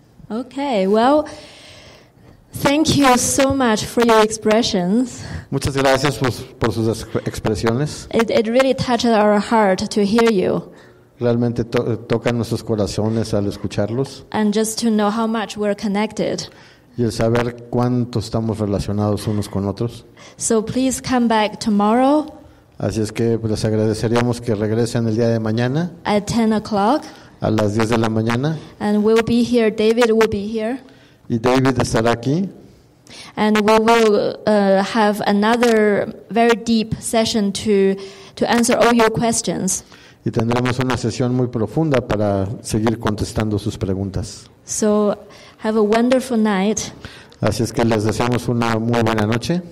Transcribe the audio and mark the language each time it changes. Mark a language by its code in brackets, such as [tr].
[en] Okay, well, thank you so much for your expressions. [es] Muchas gracias por sus expresiones. [en] It really touches our heart to hear you. [es] Realmente toca nuestros corazones al escucharlos. [en] And just to know how much we're connected. [es] Y el saber cuánto estamos relacionados unos con otros. [en] So please come back tomorrow. [es] Así es que les agradeceríamos que regresen el día de mañana. [en] At 10 o'clock. [es] A las 10 de la mañana. [en] And we'll be here. David will be here. [es] Y David estará aquí. [en] And we will have another very deep session to answer all your questions. [es] Y tendremos una sesión muy profunda para seguir contestando sus preguntas. [en] So have a wonderful night. [es] Así es que les deseamos una muy buena noche.